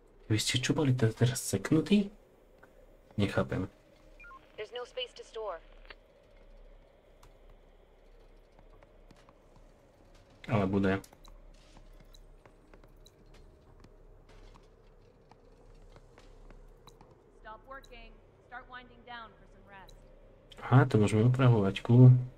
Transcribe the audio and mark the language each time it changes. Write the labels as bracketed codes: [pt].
[sk] Vy ste čo boli teraz seknutí? Nechápem. [en] There's no space to store. [sk] Ale bude. [en] Stop working. Start winding down for some rest. [sk] Aha, to môžeme upravovať, cool.